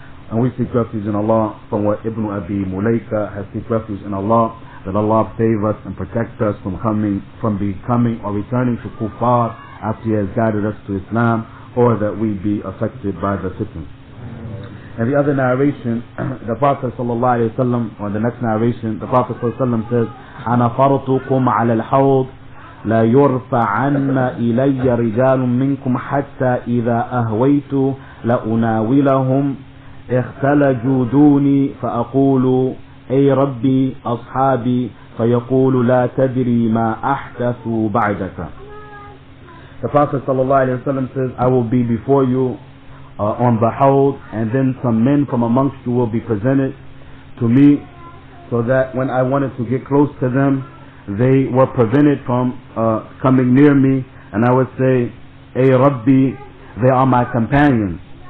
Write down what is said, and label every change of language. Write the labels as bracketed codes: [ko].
[en] And we seek refuge in Allah from what Ibn Abi Mulaika has seek refuge in Allah, that Allah save us and protect us from becoming or returning to kuffar after He has guided us to Islam, or that we be affected by the fitna. And the other narration, the Prophet sallallahu alaihi wasallam, or the next narration, the Prophet sallallahu alaihi wasallam says, [ar] أنا فرطكم على الحوض لا يرفع عنا إلي رجال منكم حتى إذا أهويت لأناولهم اختلجوا دوني فأقول أي ربي أصحابي فيقول لا تدري ما أحدثوا بعدك. [en] The Prophet sallallahu alaihi wasallam says, I will be before you on the hold, and then some men from amongst you will be presented to me, so that when I wanted to get close to them, they were prevented from coming near me, and I would say, Ey Rabbi, they are my companions.